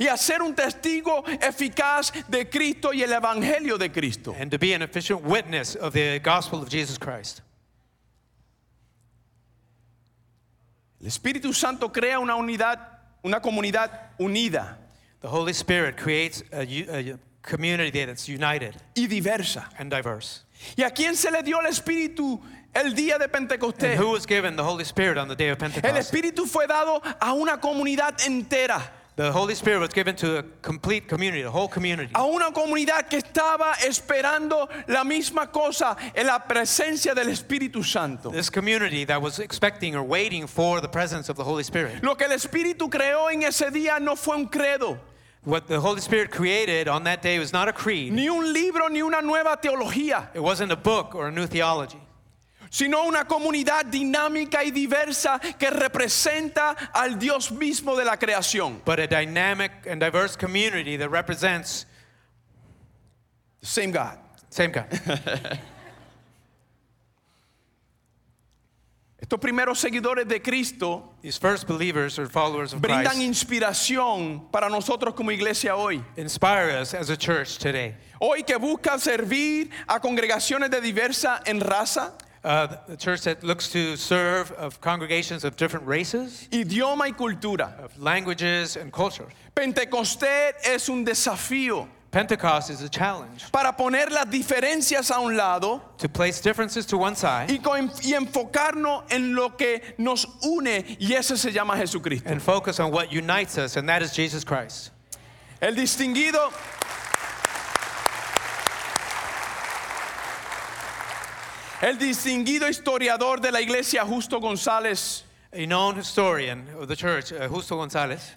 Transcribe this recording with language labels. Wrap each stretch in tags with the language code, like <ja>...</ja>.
<es>Y hacer un testigo eficaz de Cristo y el Evangelio de Cristo.</es> <en>And to be an efficient witness of the gospel of Jesus Christ.</en> <es>El Espíritu Santo crea una unidad, una comunidad unida.</es> <en>The Holy Spirit creates a community that's united.</en> <es>Y diversa.</es> <en>And diverse.</en> <es>¿Y a quién se le dio el Espíritu el día de Pentecostés?</es> <en>And who was given the Holy Spirit on the day of Pentecost?</en> <es>El Espíritu fue dado a una comunidad entera.</es> <en>The Holy Spirit was given to a complete community, a whole community.</en> <es>A una comunidad que estaba esperando la misma cosa en la presencia del Espíritu Santo.</es> <en>This community that was expecting or waiting for the presence of the Holy Spirit.</en> <es>Lo que el Espíritu creó en ese día no fue un credo.</es> <en>What the Holy Spirit created on that day was not a creed.</en> <es>Ni un libro, ni una nueva teología.</es> <en>It wasn't a book or a new theology.</en> <es>Sino una comunidad dinámica y diversa que representa al Dios mismo de la creación.</es> <en>But a dynamic and diverse community that represents the same God. Same God.</en> <es>Estos primeros seguidores de Cristo,</es> <en>these first believers or followers of Christ,</en> <es>brindan inspiración para nosotros como iglesia hoy.</es> <en>Inspire us as a church today.</en> <es>Hoy que busca servir a congregaciones de diversa en raza,</es> <en>the church that looks to serve of congregations of different races,</en> <es>idioma y cultura,</es> <en>of languages and cultures.</en> <es>Pentecostés es un desafío.</es> <en>Pentecost is a challenge.</en> <es>Para poner las diferencias a un lado,</es> <en>to place differences to one side,</en> <es>y enfocarnos en lo que nos une, y ese se llama Jesucristo.</es> <en>And focus on what unites us, and that is Jesus Christ.</en> <es>El distinguido. El distinguido historiador de la iglesia, Justo González.</es> <en>A known historian of the church, Justo González.</en>